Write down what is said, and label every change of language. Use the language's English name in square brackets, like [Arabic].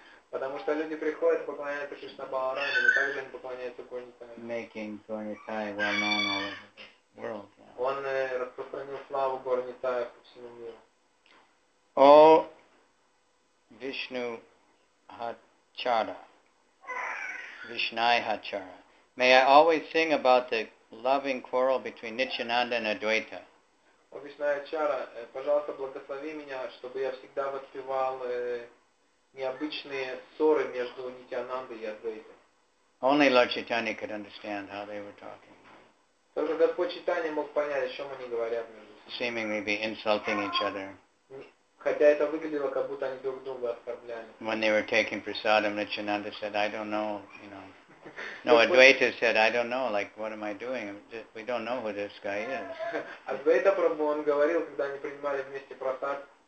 [Russian] Потому что люди приходят, поклоняются Кришна Балараме, но также они поклоняются Гаур Нитай. [English] Making Gaur Nitai well known all over the world. Yeah. [Russian] Он распространил славу Гаур Нитая по всему миру. [English] О, Вишну Хачара, Вишнай Хачара, may I always sing about the loving quarrel between Nityananda and Адвайта. [Russian] О, Вишнай Хачара, пожалуйста, благослови меня, чтобы я всегда воспевал... необычные ссоры между Нитянандой и Адвайтой. [English] Only Lord Chaitanya could understand how they were talking. [Russian] Только Господь Чайтанья мог понять, о чем они говорят между собой. [English] Seemingly be insulting each other. [Russian] Хотя это выглядело, как будто они друг друга оскорбляли. [English] When they were taking prasadam, Nityananda said, I don't know, you know. No, Адвайта said, I don't know, like, what am I doing? We don't know who this guy is. [Russian] Адвайта Прабху, он говорил, когда они принимали вместе прасад,